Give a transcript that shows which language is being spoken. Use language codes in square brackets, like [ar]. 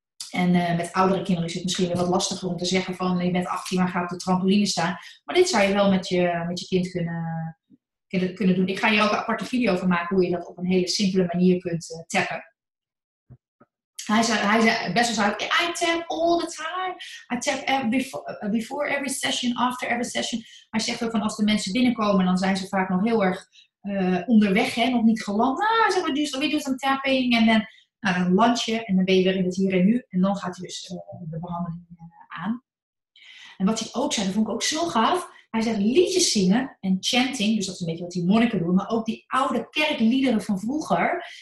[nl] En met oudere kinderen is het misschien weer wat lastiger om te zeggen van, je bent 18, maar ga op de trampoline staan. Maar dit zou je wel met je kind kunnen doen. Ik ga hier ook een aparte video van maken hoe je dat op een hele simpele manier kunt tappen. Hij zei best wel zo, [en] I tap all the time. I tap before every session, after every session. [nl] Hij zegt ook van als de mensen binnenkomen, dan zijn ze vaak nog heel erg onderweg, hè, nog niet geland. Nou, zeg maar, [en] we do some tapping [nl] en dan lunch je en dan ben je weer in het hier en nu. En dan gaat hij dus de behandeling aan. En wat hij ook zei, dat vond ik ook zo gaaf. Hij zegt liedjes zingen en chanting, dus dat is een beetje wat die monniken doen, maar ook die oude kerkliederen van vroeger.